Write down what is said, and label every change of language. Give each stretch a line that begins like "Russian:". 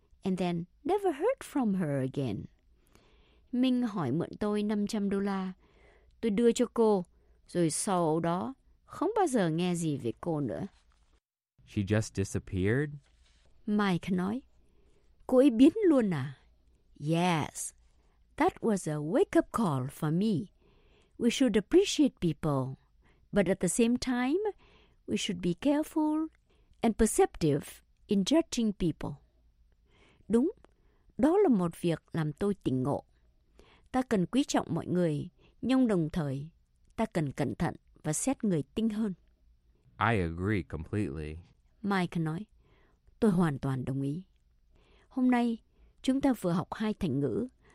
English: And then never heard from her again.
Vietnamese: Minh hỏi mượn tôi $500. Tôi đưa cho cô, rồi sau đó không bao giờ nghe gì về cô nữa.
English: She just disappeared?
Vietnamese: Mike nói, cô ấy biến luôn à?
English: Yes, that was a wake-up call for me. We should appreciate people, but at the same time, we should be careful and perceptive in judging people.
Vietnamese: Đúng, đó là một việc làm tôi tỉnh ngộ. Ta cần quý trọng mọi người, nhưng đồng thời, ta cần cẩn thận và xét người tinh hơn.
English: I agree completely.
Vietnamese: Mike nói, tôi hoàn toàn đồng ý. Hôm nay, chúng ta vừa học hai thành ngữ.